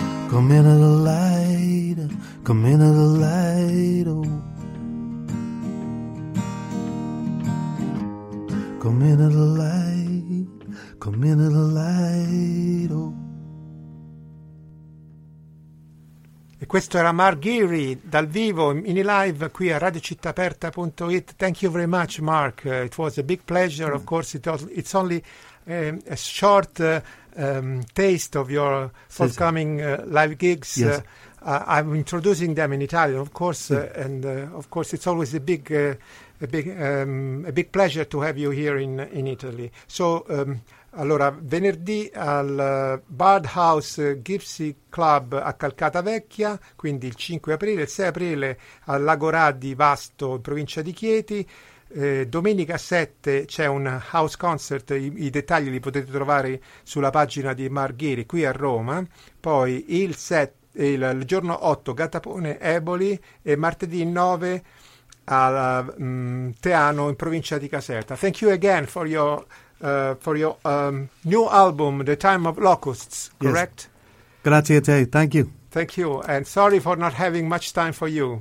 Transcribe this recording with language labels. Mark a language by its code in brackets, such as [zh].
[en] Come into the light, come into the light, oh. Come into the light, come into the light, oh. [it] Questo era Mark Geary dal vivo in live qui a radiocittaperta.it. [en] Thank you very much, Mark. It was a big pleasure. Of course, it's only a short taste of your forthcoming live gigs. Yes. I'm introducing them in Italian, of course, of course, it's always a big pleasure to have you here in Italy. So. [it] Allora, venerdì al Bard House Gypsy Club a Calcata Vecchia, quindi il 5 aprile, il 6 aprile al Lagorà di Vasto, in provincia di Chieti. Domenica 7 c'è un house concert, i dettagli li potete trovare sulla pagina di Margheri qui a Roma. Poi il giorno 8 Gattapone Eboli e martedì 9 al Teano in provincia di Caserta. [en] Thank you again for your... for your new album, The Time of Locusts, correct? Yes. [it] Grazie a te, [en] thank you. Thank you, and sorry for not having much time for you.